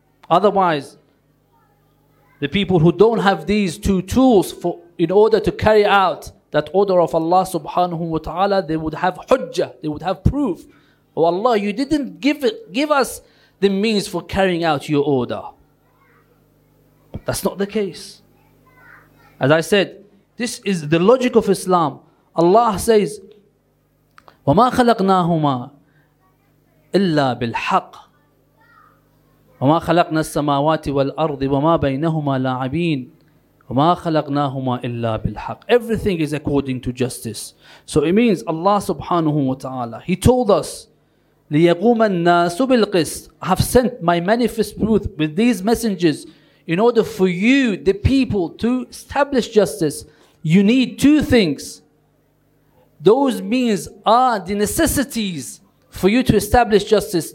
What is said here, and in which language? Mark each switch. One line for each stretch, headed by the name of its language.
English: Otherwise, the people who don't have these two tools for in order to carry out that order of Allah subhanahu wa ta'ala, they would have hujjah, they would have proof. Oh Allah, you didn't give us the means for carrying out your order. That's not the case. As I said, this is the logic of Islam.
Arabic: Allah says, وَمَا خَلَقْنَاهُمَا إِلَّا بِالْحَقِّ وَمَا خَلَقْنَا السَّمَاوَاتِ وَالْأَرْضِ وَمَا بَيْنَهُمَا لَاعِبِينَ وَمَا خَلَقْنَاهُمَا إِلَّا بِالْحَقِّ.
English: Everything is according to justice. So it means Allah subhanahu wa ta'ala, He told us,
Arabic: لِيَقُومَ النَّاسُ بِالْقِسْطِ.
English: I have sent my manifest truth with these messengers in order for you, the people, to establish justice. You need two things. Those means are the necessities for you to establish justice.